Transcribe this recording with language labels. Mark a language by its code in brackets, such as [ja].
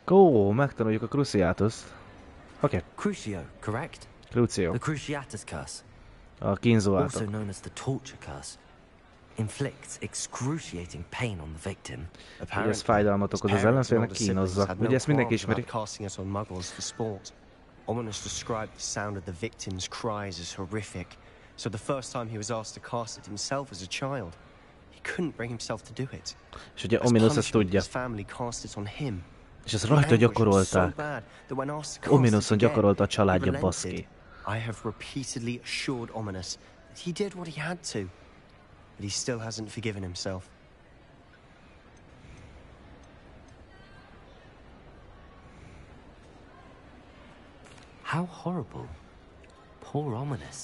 [hu] Megtanuljuk a Cruciatus. Okay. [en] Crucio, correct? Crucio. The Cruciatus curse. [hu] A kínzó átok. [en] Also known as the torture curse. Inflicts excruciating pain on the victim. [hu] Apparently, ez fájdalmat okoz az ellenfélnek, kínozza. Ugye ezt mindenki ismeri. [en] Casting us on muggles for sport. Ominous described the sound of the victim's cries as horrific. So the first time he was asked to cast it himself as a child, he couldn't bring himself to do it. [hu] És ugye Ominous ezt tudja. [en] His family cast it on him. [hu] És ezt rajta gyakorolták. Ominouson gyakorolta a családja, baszki. [en] I have repeatedly assured Ominous that he did what he had to. But he still hasn't forgiven himself. How horrible. Poor Ominous.